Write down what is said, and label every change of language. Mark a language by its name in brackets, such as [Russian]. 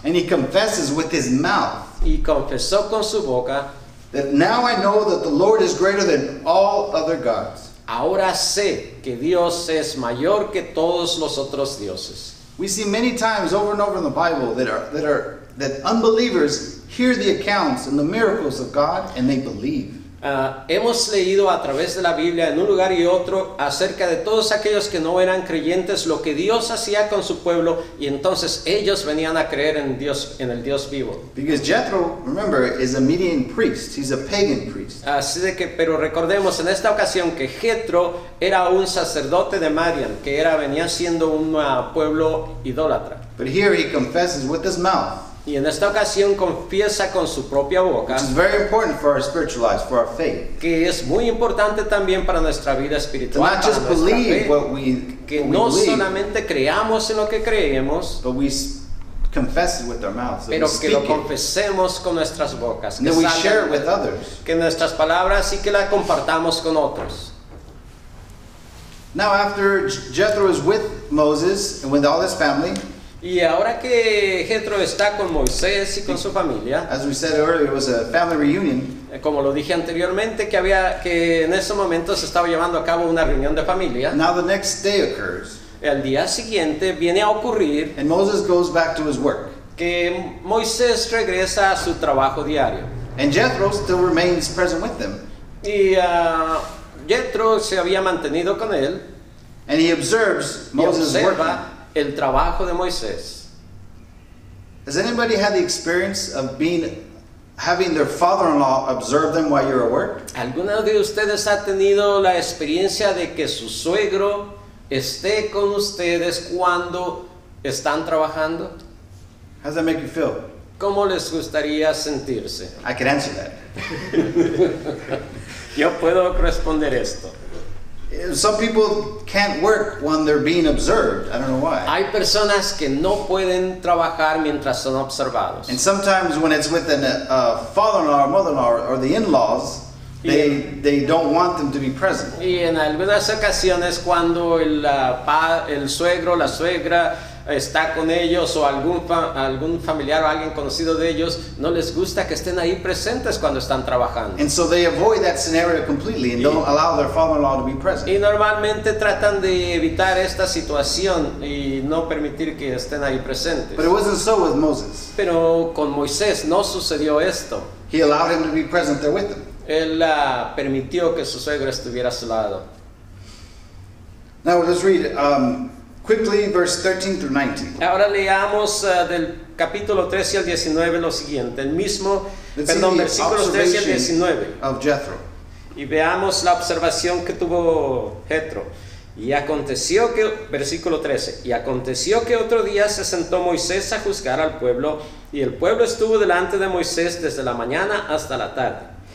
[English] And he confesses with his mouth. [Spanish] Y confesó con su boca. [English] That now I know that the Lord is greater than all other gods. [Spanish] Ahora sé que Dios es mayor que todos los otros dioses. [English] We see many times over and over in the Bible that unbelievers hear the accounts and the miracles of God and they believe. [Spanish] Hemos leído a través de la Biblia en un lugar y otro acerca de todos aquellos que no eran creyentes, lo que Dios hacía con su pueblo, y entonces ellos venían a creer en Dios, en el Dios vivo. [English] Because Jethro, remember, is a Midian priest. He's a pagan priest. [Spanish] Así de que, pero recordemos en esta ocasión que Jethro era un sacerdote de Midian, que era, venía siendo un pueblo idólatra. [English] But here he confesses with his mouth. [Spanish] Y en esta ocasión confiesa con su propia boca. [English] Which is very important for our spiritual lives, for our faith. [Spanish] Que es muy importante también para nuestra vida espiritual. [English] Not just believe what we believe. [Spanish] Que no solamente creamos en lo que creemos. [English] But we confess it with our mouths. [Spanish] Pero que lo confesemos con nuestras bocas. [English] And we share it with others. [Spanish] Que nuestras palabras y que la compartamos con otros. [English] Now after Jethro is with Moses and with all his family. [Spanish] Y ahora que Jethro está con Moisés y con su familia, [English] as we said earlier, it was a family reunion. [Spanish] Como lo dije anteriormente, que había que en ese momento se estaba llevando a cabo una reunión de familia. [English] Now the next day occurs. [Spanish] El día siguiente viene a ocurrir. [English] And Moses goes back to his work. [Spanish] Que Moisés regresa a su trabajo diario. [English] And Jethro still remains present with them. [Spanish] Y Jethro se había mantenido con él. [English] And he observes Moses working. [Spanish] El trabajo de Moisés. [English] Has anybody had the experience of being having their father-in-law observe them while you're at work? [Spanish] ¿Alguno de ustedes ha tenido la experiencia de que su suegro esté con ustedes cuando están trabajando? [English] How does that make you feel? [Spanish] ¿Cómo les gustaría sentirse? [English] I can answer that. [Spanish] Yo puedo responder esto. [English] Some people can't work when they're being observed. I don't know why. [Spanish] Hay personas que no pueden trabajar mientras son observados. [English] And sometimes when it's with a father-in-law or mother-in-law or the in-laws, they don't want them to be present. [Spanish] Y en algunas ocasiones cuando el suegro, la suegra está con ellos o algún familiar o alguien conocido de ellos, no les gusta que estén ahí presentes cuando están trabajando. [English] And so they avoid that scenario completely and don't allow their father-in-law to be present. [Spanish] Y normalmente tratan de evitar esta situación y no permitir que estén ahí presentes. [English] But it wasn't so with Moses. [Spanish] Pero con Moisés no sucedió esto. [English] He allowed him to be present there with them. [Spanish] Él permitió que su suegro estuviera a su lado. [English] Now let's read quickly, verse 13 through 19. [Spanish] Ahora leamos del capítulo 13 al 19 lo siguiente, el mismo, perdón, versículos 13 al 19. [English] Of Jethro. [Spanish] Y veamos la observación que tuvo Jethro. Y aconteció que, versículo 13, y aconteció que otro día se sentó Moisés a juzgar al pueblo, y el pueblo estuvo delante de Moisés desde la mañana hasta la tarde.